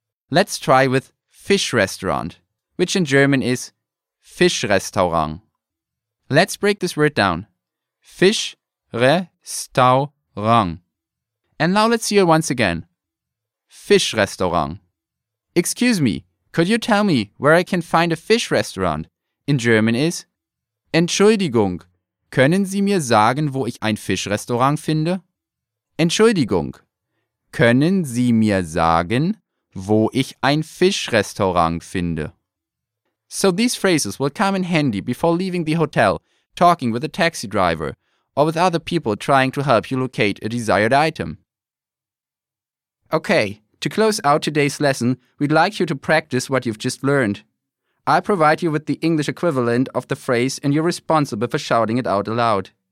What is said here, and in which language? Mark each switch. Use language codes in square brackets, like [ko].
[en] Let's try with fish restaurant, which in German is Fischrestaurant. Let's break this word down. Fischrestaurant. And now let's hear it once again. Fischrestaurant. Excuse me, could you tell me where I can find a fish restaurant? In German is [de] Entschuldigung, können Sie mir sagen, wo ich ein Fischrestaurant finde? Entschuldigung, können Sie mir sagen, wo ich ein Fischrestaurant finde? [en] So these phrases will come in handy before leaving the hotel, talking with a taxi driver, or with other people trying to help you locate a desired item. Okay, to close out today's lesson, we'd like you to practice what you've just learned. I'll provide you with the English equivalent of the phrase and you're responsible for shouting it out aloud.